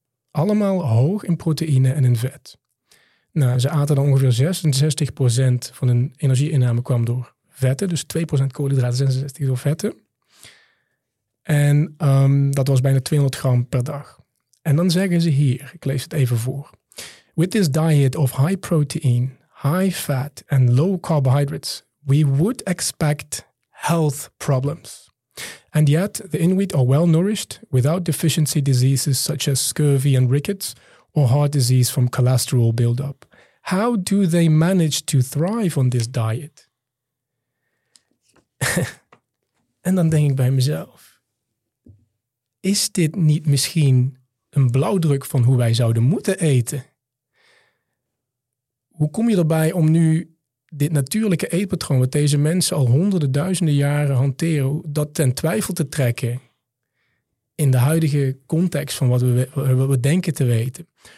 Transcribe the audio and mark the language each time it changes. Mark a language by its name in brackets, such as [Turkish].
[Dutch] Allemaal hoog in proteïne en in vet. Nou, ze aten dan ongeveer 66% van hun energieinname kwam door vetten, dus 2% koolhydraten, 66% door vetten. En dat was bijna 200 gram per dag. En dan zeggen ze hier, ik lees het even voor. [English] With this diet of high protein, high fat and low carbohydrates, we would expect health problems. And yet, the Inuit are well nourished without deficiency diseases such as scurvy and rickets or heart disease from cholesterol buildup. How do they manage to thrive on this diet? [Dutch] En dan denk ik bij mezelf, is dit niet misschien een blauwdruk van hoe wij zouden moeten eten? Hoe kom je erbij om nu dit natuurlijke eetpatroon, wat deze mensen al honderden, duizenden jaren hanteren, dat ten twijfel te trekken in de huidige context van wat we denken te weten?